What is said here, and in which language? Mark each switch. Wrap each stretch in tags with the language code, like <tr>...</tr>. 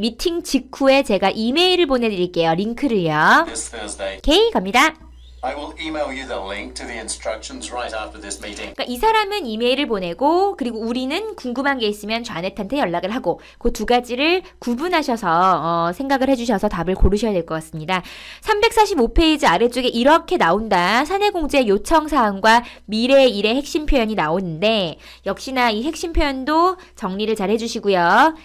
<ko>미팅 직후에 제가 이메일을 보내드릴게요. 링크를요.</ko> <en>This Thursday. Okay,</en> <ko>갑니다.</ko> <en>I will email you the link to the instructions right after this meeting.</en> <ko>그러니까 이 사람은 이메일을 보내고 그리고 우리는 궁금한 게 있으면 자넷한테 연락을 하고 그 두 가지를 구분하셔서 생각을 해주셔서 답을 고르셔야 될 것 같습니다. 345페이지 아래쪽에 이렇게 나온다. 사내공지의 요청사항과 미래의 일의 핵심 표현이 나오는데 역시나 이 핵심 표현도 정리를 잘 해주시고요.</ko>